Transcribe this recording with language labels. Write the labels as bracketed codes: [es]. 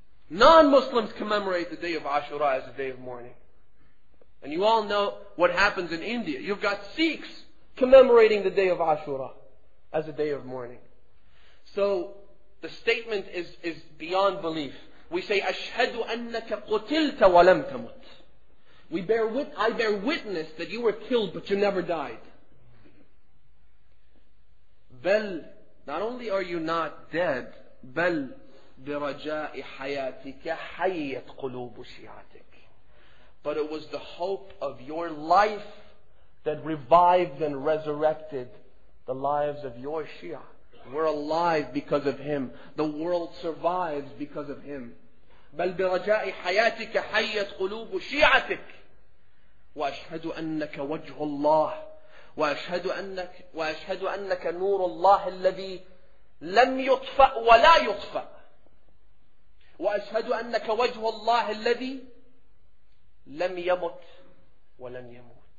[en] Non-Muslims commemorate the day of Ashura as a day of mourning. And you all know what happens in India. You've got Sikhs commemorating the day of Ashura as a day of mourning. So the statement is beyond belief. [ar] We say, أَشْهَدُ أَنَّكَ قُتِلْتَ وَلَمْ تَمُتْ. [en] I bear witness that you were killed, but you never died. [ar] بَلْ, [en] not only are you not dead, [ar] بَلْ بِرَجَاءِ حَيَاتِكَ حَيَّتْ قُلُوبُ شِيَاتِكَ. [en] But it was the hope of your life that revived and resurrected the lives of your Shia. We're alive because of him. The world survives because of him. [ar] بَلْ بِرَجَاءِ حَيَاتِكَ حَيَّتْ قُلُوبُ شِيَعَتِكَ وَأَشْهَدُ أَنَّكَ وَجْهُ اللَّهِ وَأَشْهَدُ أَنَّكَ نُورُ اللَّهِ الَّذِي لَمْ يُطْفَأْ وَلَا يُطْفَأْ وَأَشْهَدُ أَنَّكَ وَجْهُ اللَّهِ الَّذِي لَمْ يَمُتْ وَلَنْ يَمُوتْ.